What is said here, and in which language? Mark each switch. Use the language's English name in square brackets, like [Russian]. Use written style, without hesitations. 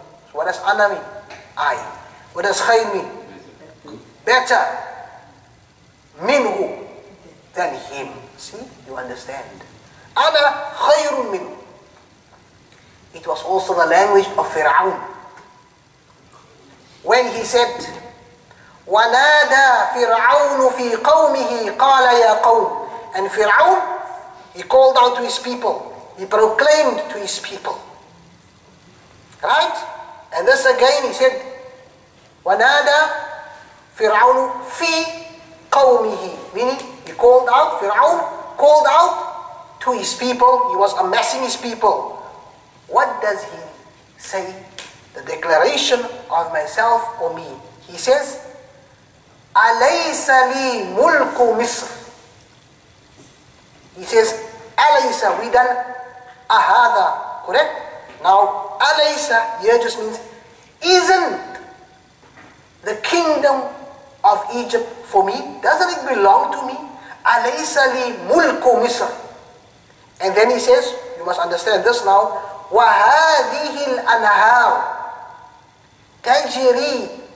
[English] So what does ana mean? I. What does khayr mean? Better minhu than him. See, you understand. [Arabic] Ana khayrun minhu. [English] It was also the language of Fir'aun. When he said, [Arabic] وَنَادَى فِرْعَوْنُ فِي قَوْمِهِ قَالَ يَا قَوْمُ. [English] And Fir'aun, he called out to his people. He proclaimed to his people. Right? And this again he said, [Arabic] وَنَادَى فِرْعَوْنُ فِي قَوْمِهِ. [English] Meaning, he called out, Fir'aun called out to his people. He was amassing his people. What does he say? The declaration of myself or me. He says, [Arabic] أَلَيْسَ لِي مُلْكُ مِصْرِ. [English] He says, [Arabic] أَلَيْسَ وِدَلْ أَهَذَا. [English] Correct? Now, أَلَيْسَ here just means, isn't the kingdom of Egypt for me? Doesn't it belong to me? [Arabic] أَلَيْسَ لِي مُلْكُ مِصْرِ. [English] And then he says, you must understand this now, [Arabic] وَهَذِهِ الْأَنْهَارُ تَجْرِي.